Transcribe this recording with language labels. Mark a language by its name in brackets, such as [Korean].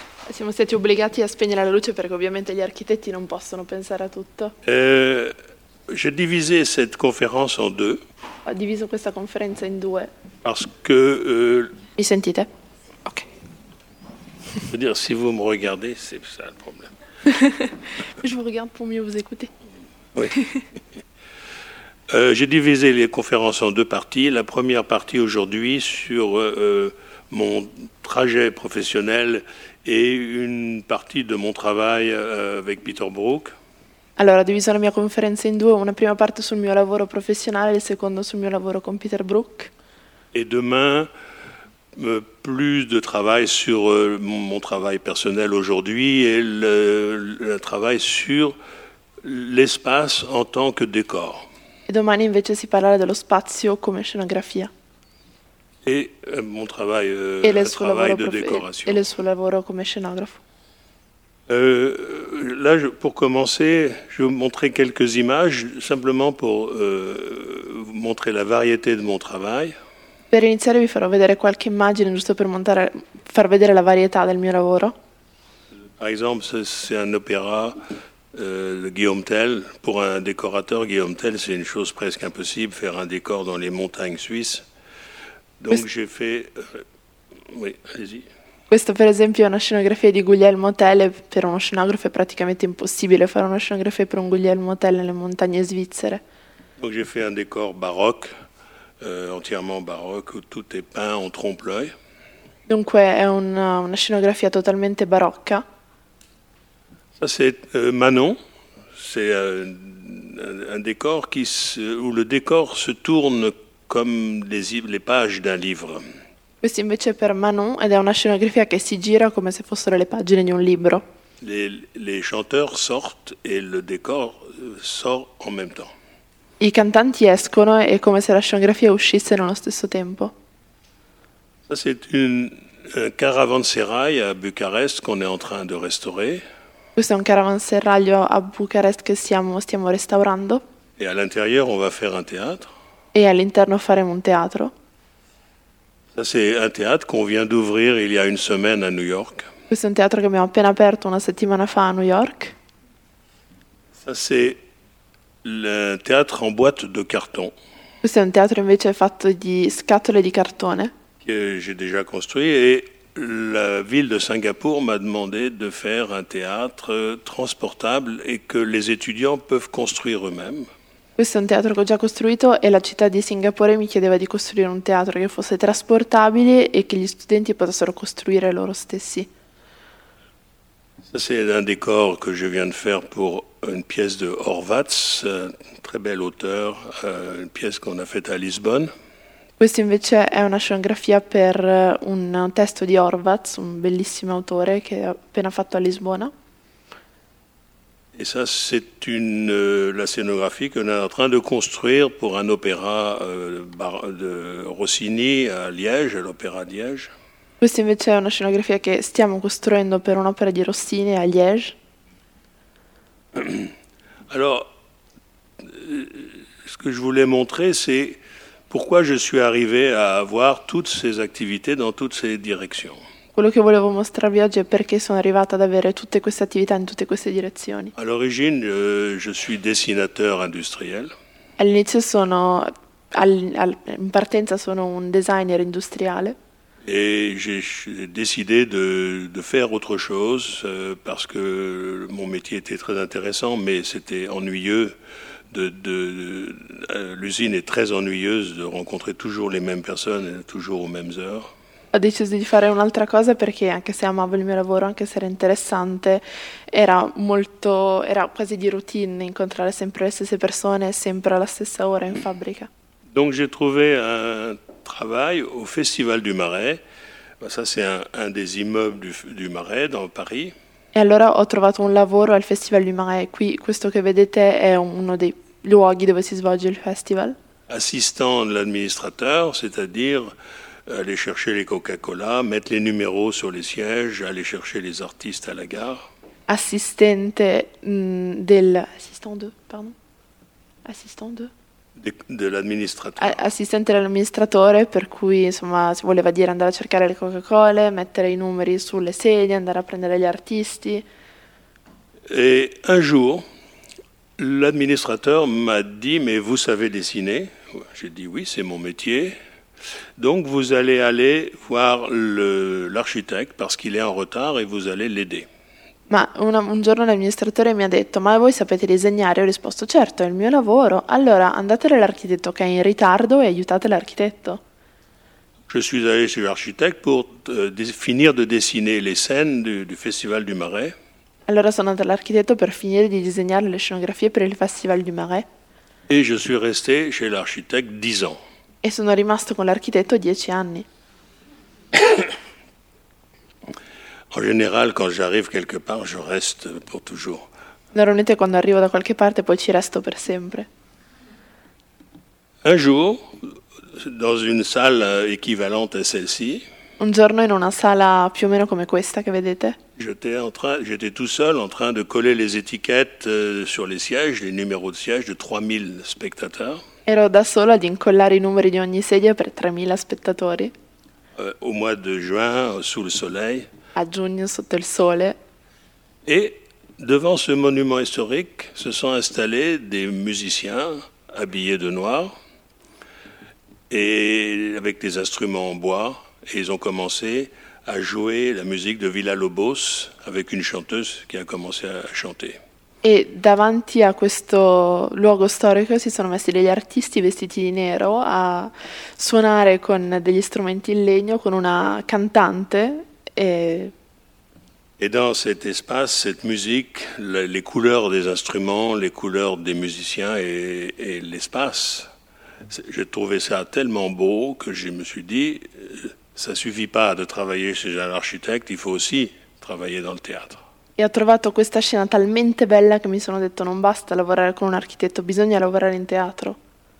[Italian] Siamo stati obbligati a spegnere la luce perché ovviamente gli architetti non possono pensare a tutto. [French] J'ai divisé cette conférence en deux. [Italian] Ho diviso questa conferenza in due. [French] Parce que. [Italian] Mi sentite? Ok. [French] Je veux dire, si vous me regardez, c'est ça le problème. Je vous regarde pour mieux vous écouter. Oui. J'ai divisé les conférences en deux parties. La première partie aujourd'hui sur mon trajet professionnel et une partie de mon travail avec Peter Brook. Alors, j'ai divisé la conférence en deux. Une première partie sur mon travail professionnel et la seconde sur mon travail avec Peter Brook. Et demain, plus de travail sur mon travail personnel aujourd'hui et le travail sur l'espace en tant que décor. [Italian] Et domani invece si parlerà dello spazio come scenografia. [French] Et mon travail, et le travail de décoration. Et le [Italian] suo lavoro come scenografo. [French] Là, pour commencer, je vais vous montrer quelques images simplement pour montrer la variété de mon travail. [Italian] Per iniziare vi farò vedere qualche immagine, giusto per montare, far vedere la varietà del mio lavoro. [French] Par exemple, c'est un opéra de Guillaume Tell. Pour un décorateur, Guillaume Tell, c'est une chose presque impossible, faire un décor dans les montagnes suisses. Donc j'ai fait... Oui, allez-y. [Italian] Questo per esempio è una scenografia di Guglielmo Tell, per uno scenografo è praticamente impossibile fare una scenografia per un Guglielmo Tell nelle montagne svizzere. [French] Donc j'ai fait un décor baroque, entièrement baroque, où tout est peint en trompe-l'œil. [Italian] Dunque è una scenografia totalmente barocca. [French] Ça c'est Manon, c'est un décor qui où le décor se tourne comme les pages d'un livre. [Italian] Questo invece è per Manon ed è una scenografia che si gira come se fossero le pagine di un libro. [French] Les chanteurs sortent et le décor sort en même temps. [Italian] I cantanti escono e come se la scenografia uscisse nello stesso tempo. [French] Ça c'est un caravanserai à Bucarest qu'on est en train de restaurer. [Italian] Questo è un caravanserraglio a Bucarest che stiamo restaurando. [French] Et à l'intérieur on va faire un théâtre. [Italian] E all'interno faremo un teatro. [French] Ça c'est un théâtre qu'on vient d'ouvrir il y a une semaine à New York. [Italian] Questo è un teatro che abbiamo appena aperto una settimana fa a New York. [French] Ça c'est le théâtre en boîte de carton. [Italian] Questo è un teatro invece fatto di scatole di cartone. [French] Que j'ai déjà construit et la ville de Singapour m'a demandé de faire un théâtre transportable et que les étudiants peuvent construire eux-mêmes. [Italian] Questo è un teatro che ho già costruito e la città di Singapore mi chiedeva di costruire un teatro che fosse trasportabile e che gli studenti potessero costruire loro stessi. [French] Ça c'est un décor que je viens de faire pour une pièce de Horvats, très bel auteur, une pièce qu'on a faite à Lisbonne. [Italian] Questo invece è una scenografia per un testo di Horvats, un bellissimo autore che ho appena fatto a Lisbona. [French] Et ça, c'est la scénographie qu'on est en train de construire pour un opéra de Rossini à Liège, l'opéra de Liège. [Italian] Questa invece è una scenografia che stiamo costruendo per un'opera di Rossini a Liège. [French] Alors, ce que je voulais montrer, c'est pourquoi je suis arrivé à avoir toutes ces activités dans toutes ces directions. [Italian] Quello che volevo mostrarvi oggi è perché sono arrivata ad avere tutte queste attività in tutte queste direzioni. All'origine, [French] je suis dessinateur industriel. [Italian] All'inizio sono, in partenza sono un designer industriale. [French] Et j'ai décidé de faire autre chose parce que mon métier était très intéressant, mais c'était ennuyeux. L'usine est très ennuyeuse de rencontrer toujours les mêmes personnes, toujours aux mêmes heures. [Italian] Ho deciso di fare un'altra cosa perché, anche se amavo il mio lavoro, anche se era interessante, era quasi di routine incontrare sempre le stesse persone, sempre alla stessa ora in fabbrica. [French] Donc j'ai trouvé un travail au Festival du Marais. Ça c'est un des immeubles du Marais dans Paris. [Italian] E allora ho trovato un lavoro al Festival du Marais. Qui, questo che vedete, è uno dei luoghi dove si svolge il festival. [French] Assistant de l'administrateur, c'est-à-dire aller chercher les Coca-Cola, mettre les numéros sur les sièges, aller chercher les artistes à la gare. [Italian] Assistente del... [French] Assistant de, pardon. Assistant de... De l'administrateur. [Italian] Assistente dell'amministratore, per cui, insomma, si voleva dire andare a cercare le Coca-Cola, mettere i numeri sulle sedie, andare a prendere gli artisti. [French] E un jour, l'administrateur m'a dit, mais vous savez dessiner? J'ai dit, oui, c'est mon métier. Donc vous allez aller voir l'architecte parce qu'il est en retard et vous allez l'aider. [Italian] Ma un giorno l'amministratore mi ha detto, ma voi sapete disegnare? Ho risposto, certo, è il mio lavoro. Allora andate dall'architetto che è in ritardo e aiutate l'architetto. [French] Je suis allé chez l'architecte pour finir de dessiner les scènes du Festival du Marais. [Italian] Allora sono andato dall'architetto per finire di disegnare le scenografie per il Festival du Marais. [French] Et je suis resté chez l'architecte 10 ans. [Italian] E sono rimasto con l'architetto 10 anni. [French] En général, quand j'arrive quelque part, je reste pour toujours. [Italian] Normalmente quando arrivo da qualche parte poi ci resto per sempre. [French] Un jour, dans une salle équivalente à celle-ci. [Italian] Un giorno in una sala più o meno come questa che vedete. [French] J'étais tout seul en train de coller les étiquettes sur les sièges, les numéros de sièges de 3000 spectateurs. [Italian] Ero da sola ad incollare i numeri di ogni sedia per 3.000 spettatori. [French] Au mois de juin, sous le soleil. [Italian] A giugno, sotto il sole. [French] Et devant ce monument historique se sont installés des musiciens habillés de noir et avec des instruments en bois et ils ont commencé à jouer la musique de Villa-Lobos avec une chanteuse qui a commencé à chanter. [Italian] E davanti a questo luogo storico si sono messi degli artisti vestiti di nero a suonare con degli strumenti in legno con una cantante e... [French] Et dans cet espace, cette musique, les couleurs des instruments, les couleurs des musiciens et l'espace, j'ai trouvé ça tellement beau que je me suis dit, ça suffit pas de travailler chez un architecte, il faut aussi travailler dans le théâtre. [Italian] Et ho trovato questa scena talmente bella che mi sono detto non basta lavorare con un architetto, bisogna lavorare in teatro.